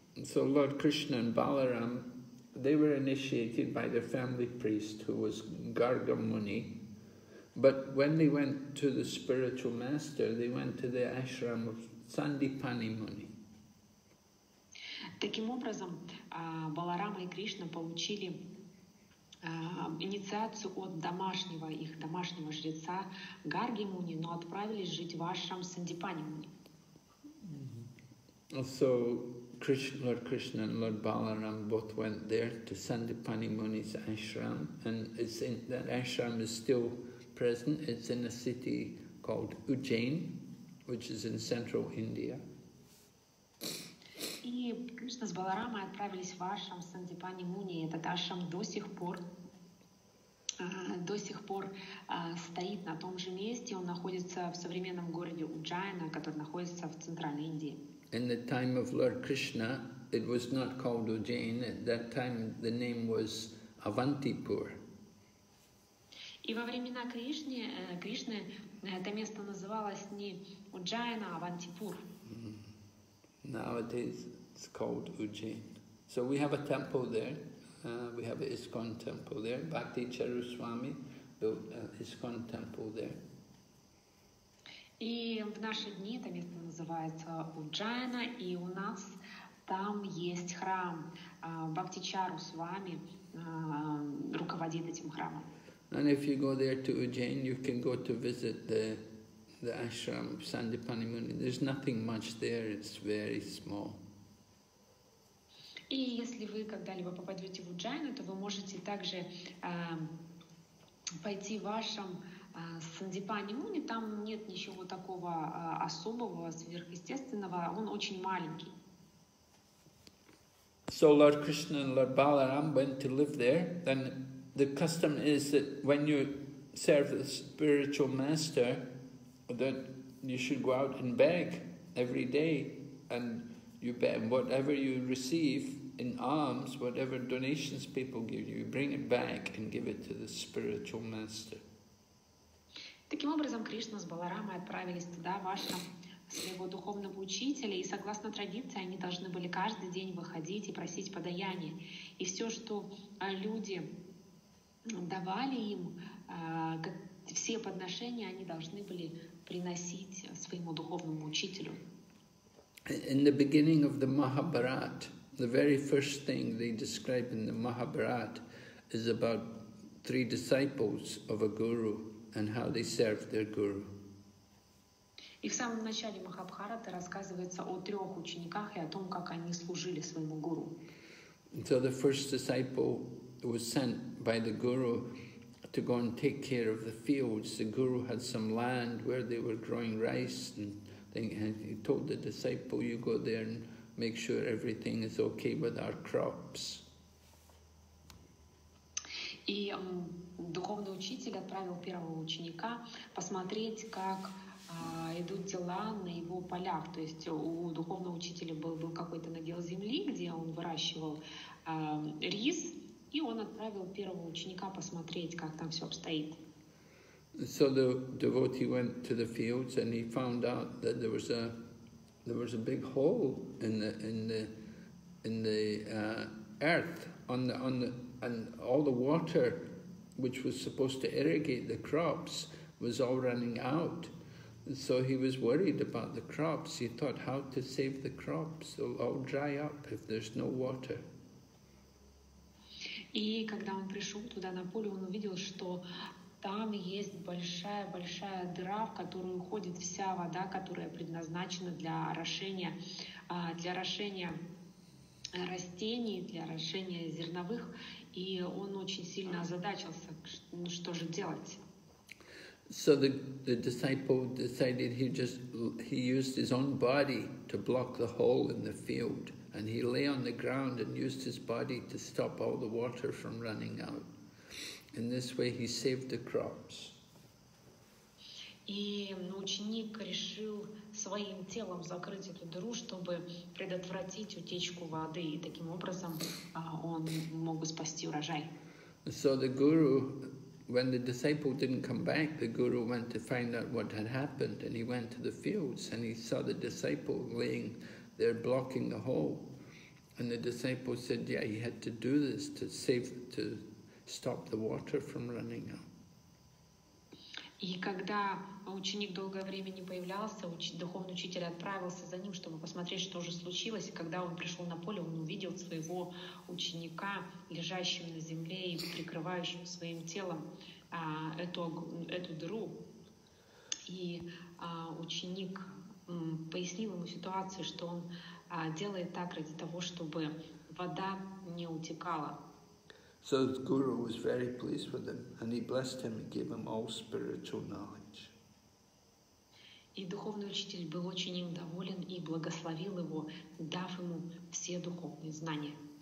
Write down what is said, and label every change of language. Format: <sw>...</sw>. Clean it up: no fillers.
<en>So Lord Krishna and Balaram, they were initiated by their family priest, who was Gargamuni. But when they went to the spiritual master, they went to the ashram of Sandipani Muni.</en> <ru>Таким образом, Баларама и Кришна получили инициацию от домашнего жреца Гарги Муни, но отправились жить в ашрам Сандипани Муни. Mm-hmm.</ru> <en>So, Lord Krishna and Lord Balaram both went there to Sandipani Muni's ashram, and that ashram is still present. It's in a city called Ujjain, which is in central India.</en> <ru>И Кришна с Баларамой отправились в ашрам Сандипани Муни. Этот ашрам до сих пор стоит на том же месте. Он находится в современном городе Уджайна, который находится в центральной Индии.</ru> <en>In the time of Lord Krishna, it was not called Ujjain. At that time, the name was Avantipur.</en> <ru>И во времена Кришны это место называлось не Уджайна, а Авантипур.</ru> <en>Nowadays it's called Ujjain. So we have a temple there. We have an ISKCON temple there. Bhakti Charu Swami built an ISKCON temple there.</en> <ru>И в наши дни это место называется Уджайна, и у нас там есть храм. Бхакти Чару Свами руководит этим храмом.</ru> <en>And if you go there to Ujjain, you can go to visit the ashram of Sandipani Muni. There's nothing much there, it's very small.</en> <ru>И если вы когда-либо попадете в Уджайну, то вы можете также пойти в ашрам Сандипани Муни. Там нет ничего такого особого, сверхъестественного. Он очень маленький.</ru> <en>So Lord Krishna and Lord Balaram went to live there. Then the custom is that when you serve the spiritual master, that you should go out and beg every day, and you beg whatever you receive in alms, whatever donations people give you, bring it back and give it to the spiritual master.</en> <ru>Таким образом, Кришна с Баларамой отправились туда, в ашрам своего духовного учителя, и согласно традиции, они должны были каждый день выходить и просить подаяние. И все, что люди давали им, все подношения, они должны были приносить своему духовному учителю.</ru> <en>In the beginning of the Mahabharata, the very first thing they describe in the Mahabharata is about three disciples of a guru and how they served their guru.</en> <ru>И в самом начале Махабхараты рассказывается о трех учениках и о том, как они служили своему гуру.</ru> <en>So the first disciple was sent by the guru to go and take care of the fields. The guru had some land where they were growing rice, and he told the disciple, "You go there and make sure everything is okay with our crops."</en> <ru>И духовный учитель отправил первого ученика посмотреть, как идут дела на его полях. То есть у духовного учителя был какой-то надел земли, где он выращивал рис, и он отправил первого ученика посмотреть, как там все обстоит.</ru> <en>So the devotee went to the fields and he found out that there was a big hole in the in the earth, and all the water which was supposed to irrigate the crops was all running out. And so he was worried about the crops. He thought, how to save the crops? They'll all dry up if there's no water.</en> <ru>И когда он пришел туда на поле, он увидел, что там есть большая-большая дыра, в которую уходит вся вода, которая предназначена для орошения растений, для орошения зерновых. И он очень сильно озадачился, что же делать.</ru> <en>So the disciple decided he used his own body to block the hole in the field. And he lay on the ground and used his body to stop all the water from running out. In this way he saved the crops.</en> <ru>И ученик решил своим телом закрыть эту дыру, чтобы предотвратить утечку воды, и таким образом он мог спасти урожай.</ru> <en>So the guru, when the disciple didn't come back, the guru went to find out what had happened, and he went to the fields and he saw the disciple laying there blocking the hole. And the disciple said, yeah, he had to do this to save, to stop the water from running out.</en> <ru>И когда ученик долгое время не появлялся, духовный учитель отправился за ним, чтобы посмотреть, что же случилось. И когда он пришел на поле, он увидел своего ученика, лежащего на земле и прикрывающего своим телом эту дыру. И ученик пояснил ему ситуацию, что он делает так ради того, чтобы вода не утекала.</ru> <en>So the guru was very pleased with him, and he blessed him and gave him all spiritual knowledge.</en> <ru>И духовный учитель был очень им доволен и благословил его, дав ему все духовные знания.</ru>